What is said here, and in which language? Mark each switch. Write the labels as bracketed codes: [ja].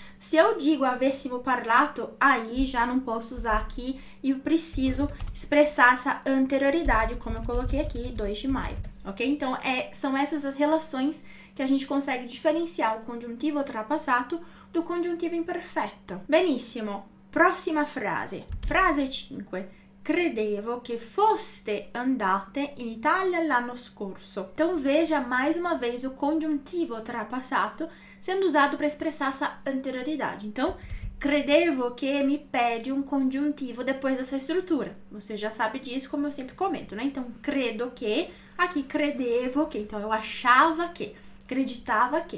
[pt] Se eu digo avessimo parlato, aí já não posso usar aqui e eu preciso expressar essa anterioridade, como eu coloquei aqui, 2 de maio, ok? Então, são essas as relações que a gente consegue diferenciar o conjuntivo ultrapassato do conjuntivo imperfeito. [it] Benissimo, prossima frase. Frase 5. Credevo che foste andate in Italia l'anno scorso. [pt] Então veja mais uma vez o conjuntivo ultrapassato sendo usado para expressar essa anterioridade. Então, credevo che mi pede um conjuntivo depois dessa estrutura. Você já sabe disso, como eu sempre comento, né? Então, credo que, aqui credevo que, então eu achava que, acreditava que.